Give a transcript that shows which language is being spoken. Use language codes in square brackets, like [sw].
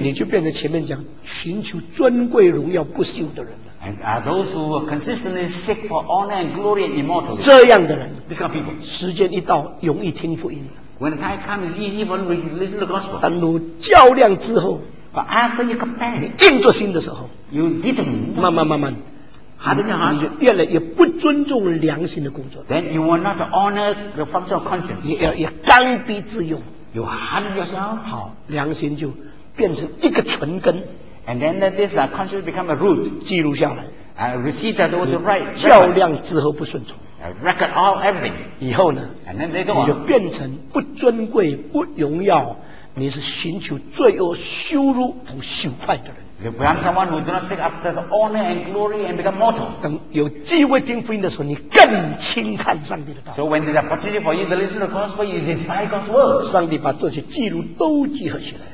[zh] 你就变成前面讲寻求尊贵荣耀不朽的人了 [en] And are those who are consistently seek for honor and glory and immortality. [zh] 这样的人 [en] These kind of people. [zh] 时间一到容易听福音。 [en] When the time comes, it's easy for them to listen to the gospel. [zh] 当你较量之后 [en] But after you compare, [zh] 你硬着心的时候 [en] You determine. [zh] 慢慢慢慢 [en] How do you know? [zh] 你就越来越不尊重良心的工作。 [en] Then you will not honor the function of conscience. [zh] 你要刚愎自用 [en] You harden yourself. [zh] 好良心就变成一个存根 [en] And then this conscience become a root, [zh] 记录下来 [en] receive that order right. [zh] 较量之后不顺从。 [en] Record all everything. [zh] 以后呢？ [en] And then later on, [zh] 你就变成不尊贵、不荣耀，你是寻求罪恶、羞辱和羞愧的人。 [en] You become someone who does not seek after the honor and glory and become mortal. [zh] 等有机会听福音的时候，你更轻看上帝的道。 [en] So when there's opportunity for you to listen to the gospel, you despise God's word. [zh] 上帝把这些记录都集合起来。